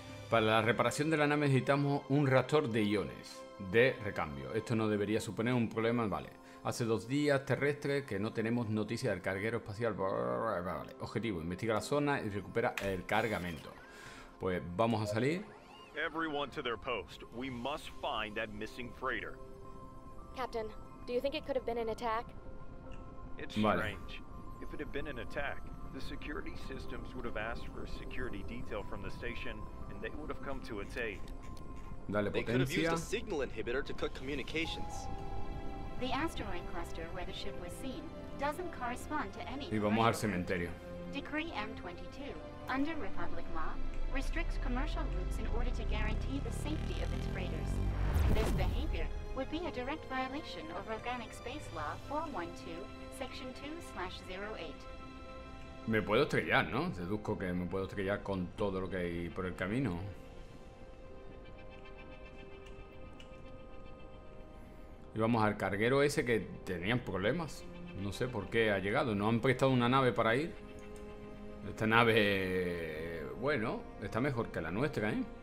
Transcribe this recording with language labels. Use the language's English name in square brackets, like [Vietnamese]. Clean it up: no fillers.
[Spanish] Para la reparación de la nave necesitamos un reactor de iones de recambio. Esto no debería suponer un problema, vale. Hace dos días terrestre que no tenemos noticia del carguero espacial. Vale. Objetivo, investiga la zona y recupera el cargamento. Pues vamos a salir. [English] Everyone to their post. We must find that missing freighter. Captain, do you think it could have been an attack? It's strange. If it had been an attack, the security systems would have asked for a security detail from the station. They would have come to its aid. [Spanish] Dale potencia. [English] They could have used a signal inhibitor to cut communications. The asteroid cluster where the ship was seen doesn't correspond to any. [Spanish] Y vamos al cementerio. [English] Decree M22, under Republic law, restricts commercial routes in order to guarantee the safety of its freighters. This behavior would be a direct violation of Organic Space Law 412, Section 2/08. [Spanish] Me puedo estrellar, ¿no? Deduzco que me puedo estrellar con todo lo que hay por el camino. Y vamos al carguero ese que tenían problemas. No sé por qué ha llegado. ¿No han prestado una nave para ir? Esta nave, bueno, está mejor que la nuestra, ¿eh?